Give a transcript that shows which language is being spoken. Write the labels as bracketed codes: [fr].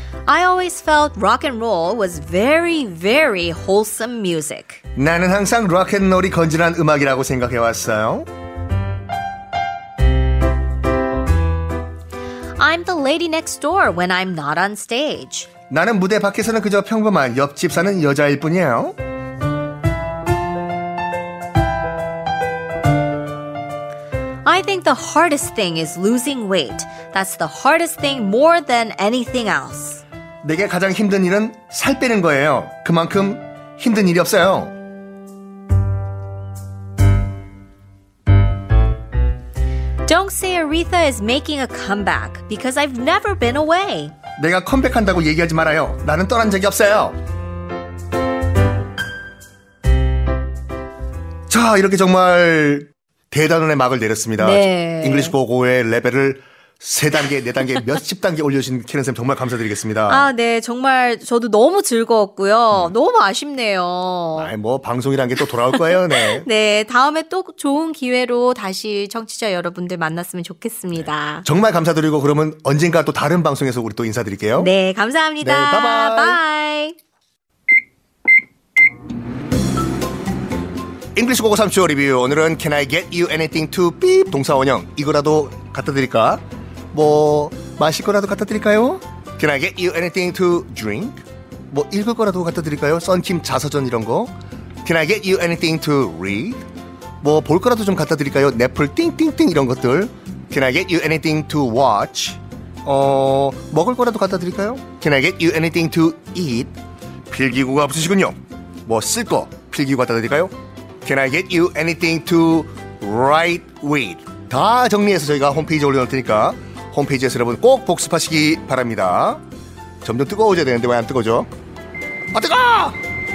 [en] I always felt rock and roll was very, very wholesome music. [ko] 나는 항상 록앤롤이 건전한 음악이라고 생각해 왔어요. [en] I'm the lady next door when I'm not on stage. [ko] 나는 무대 밖에서는 그저 평범한 옆집 사는 여자일 뿐이에요. [en] I think the hardest thing is losing weight. That's the hardest thing more than anything else. [ko] 내게 가장 힘든 일은 살 빼는 거예요. 그만큼 힘든 일이 없어요. [en] Don't say Aretha is making a comeback because I've never been away. [ko] 내가 컴백한다고 얘기하지 말아요. 나는 떠난 적이 없어요. 자, 이렇게 정말 대단원의 막을 내렸습니다. 네. English 고고의 레벨을 3단계, 4단계, 몇십 단계 올려주신 캐런쌤 정말 감사드리겠습니다. 아, 네. 정말 저도 너무 즐거웠고요. 너무 아쉽네요. 아, 뭐 방송이라는 게 또 돌아올 거예요. 네. 네. 다음에 또 좋은 기회로 다시 청취자 여러분들 만났으면 좋겠습니다. 네, 정말 감사드리고 그러면 언젠가 또 다른 방송에서 우리 또 인사드릴게요. 네. 감사합니다. 네. 바이바이. 잉글리시 고고 3초 리뷰. 오늘은 [en] Can I get you anything to beep? [ko] 동사 원형. 이거라도 갖다 드릴까? 뭐 마실 거라도 갖다 드릴까요? [en] Can I get you anything to drink? [ko] 뭐 읽을 거라도 갖다 드릴까요? 썬킴 자서전 이런 거. [en] Can I get you anything to read? [ko] 뭐 볼 거라도 좀 갖다 드릴까요? 넷플 띵띵띵 이런 것들. [en] Can I get you anything to watch? [ko] 먹을 거라도 갖다 드릴까요? [en] Can I get you anything to eat? [ko] 필기구가 없으시군요. 뭐 쓸 거 필기구 갖다 드릴까요? [en] Can I get you anything to write with? [ko] 다 정리해서 저희가 홈페이지에 올려놓을 테니까 홈페이지에서 여러분 꼭 복습하시기 바랍니다. 점점 뜨거워져야 되는데 왜 안 뜨거워져? 아, 뜨거워!